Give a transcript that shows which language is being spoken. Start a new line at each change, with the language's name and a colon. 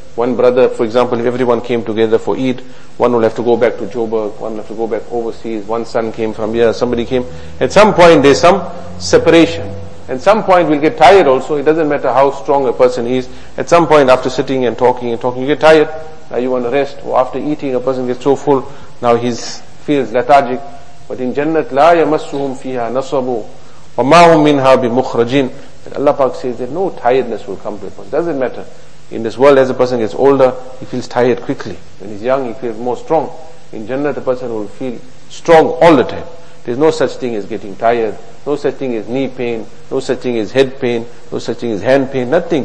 English: One brother, for example, if everyone came together for Eid, one will have to go back to Joburg, one will have to go back overseas, one son came from here, somebody came. At some point there's some separation. At some point we'll get tired also. It doesn't matter how strong a person is. At some point after sitting and talking and talking, you get tired. Now you want to rest. Or after eating, a person gets so full, now he feels lethargic. But in Jannat,
Arabic: لا يمسهم فيها نصب وما هم منها بمخرجين.
English: Allah Pak says that no tiredness will come to a person. Doesn't matter. In this world, as a person gets older, he feels tired quickly. When he's young, he feels more strong. In Jannat, the person will feel strong all the time. There's no such thing as getting tired, no such thing as knee pain, no such thing as head pain, no such thing as hand pain, nothing.